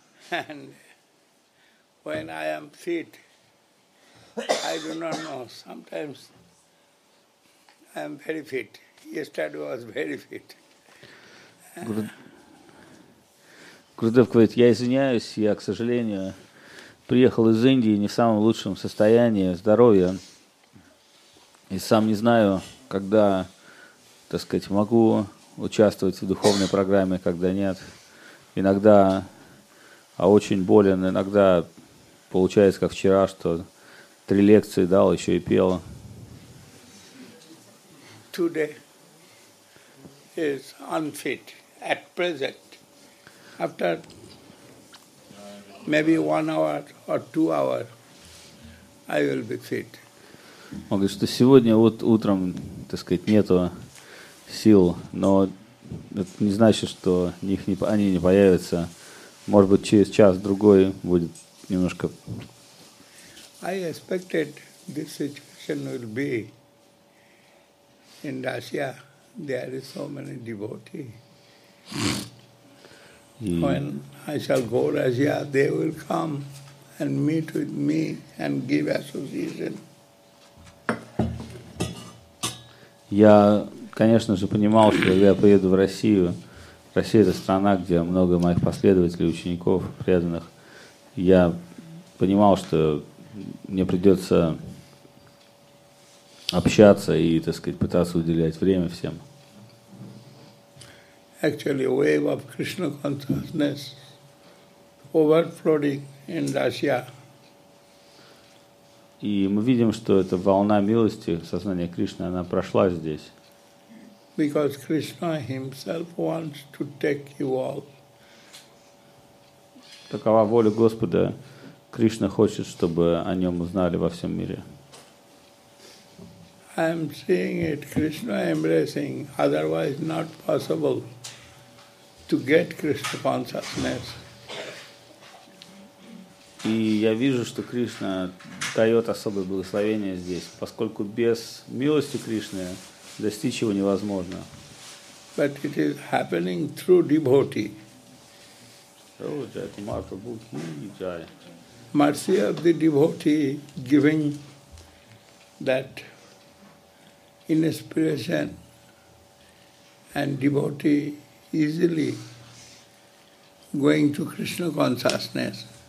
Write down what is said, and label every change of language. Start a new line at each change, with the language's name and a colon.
English: And when I am fit, I do not know. Sometimes I am very fit. Yesterday I was very fit.
Russian: Гурудев говорит, я извиняюсь, я, к сожалению, приехал из Индии не в самом лучшем состоянии здоровья. И сам не знаю, когда, так сказать, могу участвовать в духовной программе, когда нет. Иногда, а очень болен, иногда получается, как вчера, что 3 лекции дал, еще и пел.
English: Today is unfit at present. After maybe 1 hour or 2 hours, I will be fit.
Russian: Он говорит, что сегодня вот утром, так сказать, нету сил, но это не значит, что они не появятся. Может быть, через час-другой будет немножко.
English: I expected this situation will be in Russia. There are so many devotees. When I shall go to Russia, they will come and meet with me and give association.
Russian: Я, конечно же, понимал, что когда я поеду в Россию, Россия — это страна, где много моих последователей, учеников, преданных. Я понимал, что мне придется общаться и, так сказать, пытаться уделять время всем.
English: Actually, wave of Krishna consciousness overflowing in Russia.
Russian: И мы видим, что эта волна милости, сознания Кришны, она прошла здесь.
English: Because Krishna himself wants to take you all.
Russian: Такова воля Господа. Кришна хочет, чтобы о нем узнали во всем мире.
English: I am seeing it, Krishna embracing, otherwise not possible to get Krishna consciousness.
Russian: И я вижу, что Кришна дает особое благословение здесь, поскольку без милости Кришны достичь его невозможно.
English: But it is happening through devotee. Oh, that Martha Bukhi Jai. Mercy of the devotee giving that inspiration, and devotee easily going to Krishna consciousness.